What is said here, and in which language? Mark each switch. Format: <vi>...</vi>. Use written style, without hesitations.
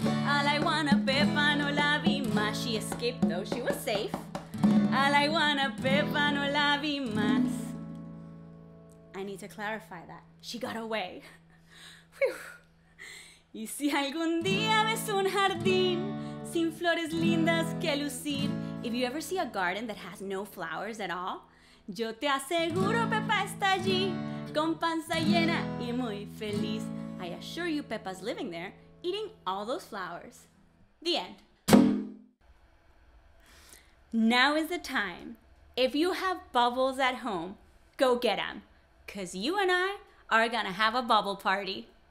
<es>A la iguana Pepa no la vi más.</es> <en>She escaped though, she was safe.</en> <es>A la iguana Pepa no la vi más.</es> <en>I need to clarify that. She got away. Whew.</en> <es>Y si algún día ves un jardín sin flores lindas que lucir,</es> <en>if you ever see a garden that has no flowers at all,</en> <es>yo te aseguro Pepa está allí con panza llena y muy feliz.</es> <en>I assure you Pepa's living there, eating all those flowers. The end. Now is the time. If you have bubbles at home, go get them, because you and I are gonna have a bubble party.</en>